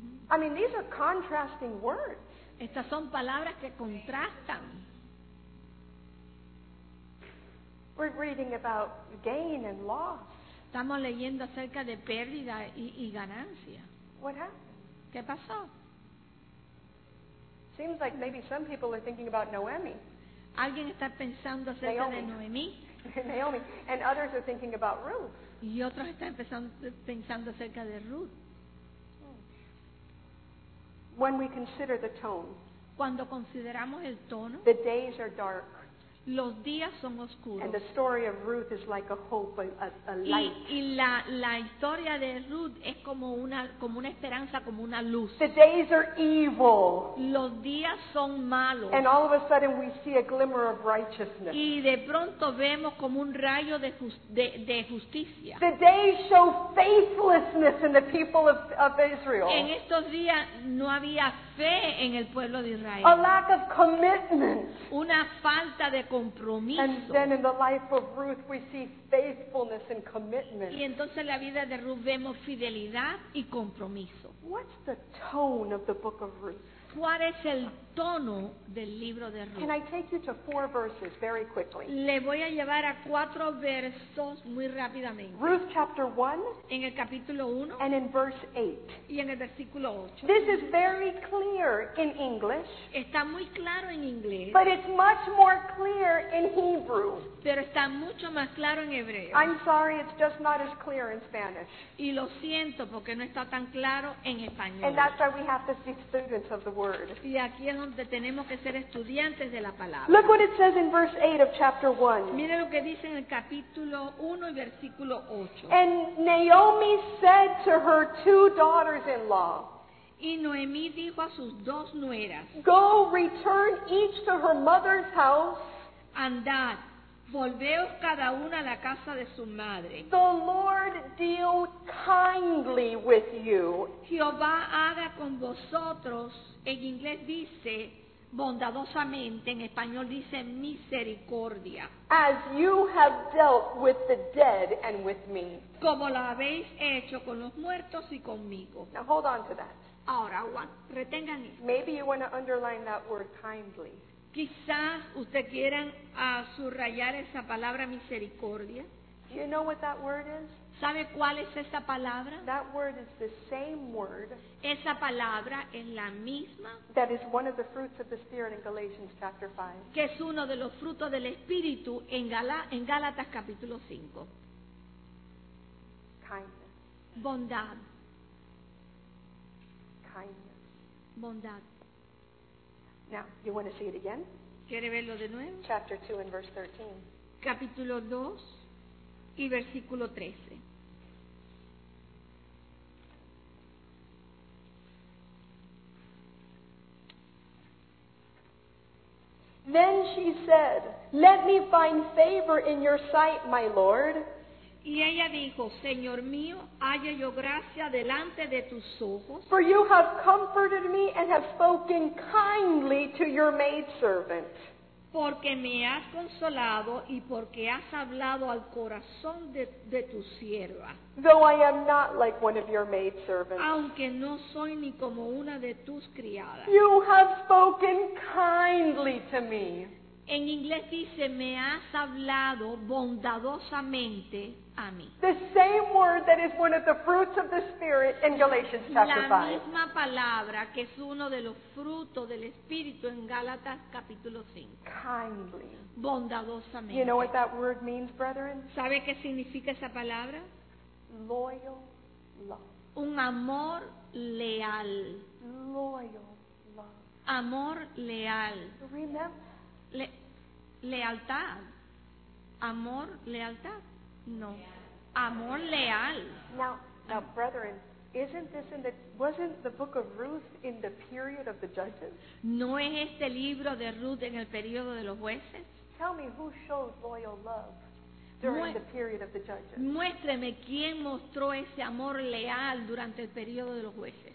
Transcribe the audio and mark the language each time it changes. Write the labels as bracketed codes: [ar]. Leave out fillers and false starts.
[en] I mean, these are contrasting words. [es] Estas son palabras que contrastan. [en] We're reading about gain and loss. [es] Estamos leyendo acerca de pérdida y ganancia. [en] What happened? [es] ¿Qué pasó? [en] Seems like maybe some people are thinking about Noemi. [es] Alguien está pensando acerca [en] Naomi. [es] De Noemi. [en] Naomi. And others are thinking about Ruth. [es] Y otros están pensando acerca de Ruth. [en] When we consider the tone, [es] cuando consideramos el tono, [en] the days are dark, [es] los días son oscuros, [en] and the story of Ruth is like a hope, a light. [es] Y la historia de Ruth es como una esperanza, como una luz. [en] The days are evil, [es] los días son malos, [en] and all of a sudden we see a glimmer of righteousness. [es] Y de pronto vemos como un rayo de justicia. [en] The days show faithlessness in the people of Israel. [es] En estos días no había fe en el pueblo de Israel. [en] A lack of commitment. [es] Una falta de compromiso. [en] And then in the life of Ruth we see faithfulness and commitment. [es] Y entonces en la vida de Ruth vemos fidelidad y compromiso. [en] What's the tone of the book of Ruth? [es] ¿Cuál es el tono del libro de Ruth? [en] Can I take you to four verses very quickly? [es] Le voy a llevar a cuatro versos muy rápidamente. [en] Ruth chapter 1. [es] En el capítulo 1. [en] And in verse 8. [es] Y en el versículo 8. [en] This is very clear in English. [es] Está muy claro en inglés. [en] But it's much more clear in Hebrew. [es] Pero está mucho más claro en hebreo. [en] I'm sorry, it's just not as clear in Spanish. [es] Y lo siento porque no está tan claro en español. [en] And that's why we have to see students of the word. [es] Y aquí es donde tenemos que ser estudiantes de la palabra. [en] Look what it says in verse 8 of chapter 1. [es] Mire lo que dice en el capítulo 1 y versículo 8. [en] And Naomi said to her two daughters-in-law. [es] Y Noemí dijo a sus dos nueras. [en] Go return each to her mother's house. [es] Andad, volveos cada una a la casa de su madre. [en] The Lord deal kindly with you. [es] Jehová haga con vosotros. En inglés dice bondadosamente, en español dice misericordia. [en] As you have dealt with the dead and with me. [es] Como lo habéis hecho con los muertos y conmigo. [en] Now hold on to that. [es] Ahora, retengan esto. [en] Maybe you want to underline that word kindly. [es] Quizás ustedes quieran subrayar esa palabra misericordia. [en] Do you know what that word is? [es] ¿Sabe cuál es esa palabra? [en] That word is the same word. [es] Esa palabra es la misma. [en] That is one of the fruits of the Spirit in Galatians chapter 5. [es] Que es uno de los frutos del Espíritu en Gálatas capítulo 5. [en] Kindness. [es] Bondad. [en] Kindness. [es] Bondad. [en] Now, you want to see it again? [es] ¿Quiere verlo de nuevo? [en] Chapter 2 and verse 13. [es] Capítulo 2 y versículo 13. [en] Then she said, let me find favor in your sight, my Lord. [es] Y ella dijo, Señor mío, halle yo gracia delante de tus ojos. [en] For you have comforted me and have spoken kindly to your maidservant. [es] Porque me has consolado y porque has hablado al corazón de tu sierva. [en] Though I am not like one of your maidservants. [es] Aunque no soy ni como una de tus criadas. [en] You have spoken kindly to me. [es] En inglés dice, me has hablado bondadosamente a mí. [en] The same word that is one of the fruits of the Spirit in Galatians chapter 5. [es] La misma palabra que es uno de los frutos del Espíritu en Gálatas capítulo 5. [en] Kindly. [es] Bondadosamente. [en] You know what that word means, brethren? [es] ¿Sabe qué significa esa palabra? [en] Loyal love. [es] Un amor leal. [en] Loyal love. [es] Amor leal. [en] Remember. [es] Lealtad. Amor, lealtad. No. Amor leal. [en] Now, brethren, wasn't the book of Ruth in the period of the judges? [es] ¿No es este libro de Ruth en el periodo de los jueces? [en] Tell me who showed loyal love during the period of the judges. [es] Muéstreme quién mostró ese amor leal durante el periodo de los jueces.